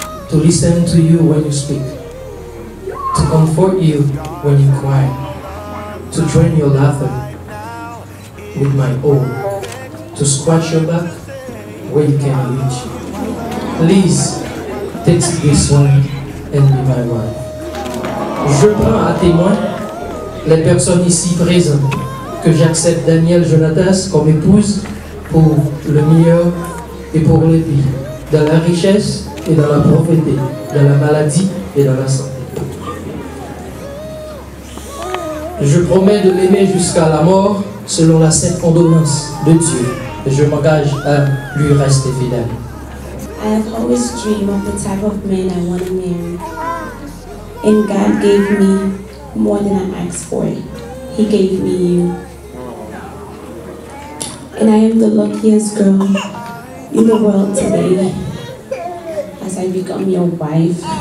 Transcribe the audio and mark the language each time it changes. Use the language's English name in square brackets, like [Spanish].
[English] To listen to you when you speak. To comfort you when you cry. To drain your laughter with my own. To scratch your back where you cannot reach. Please, take this one and be my wife. [French] Je prends à témoin les personnes ici présentes que j'accepte Daniel Jonatas comme épouse pour le meilleur et pour le pire, dans la richesse et dans la pauvreté, dans la maladie et dans la santé. Je promets de l'aimer jusqu'à la mort selon la sainte ordonnance de Dieu et je m'engage à lui rester fidèle. [English] I have always dreamed of the type of man I want to marry. And God gave me more than I asked for. He gave me you. And I am the luckiest girl in the world today as I become your wife.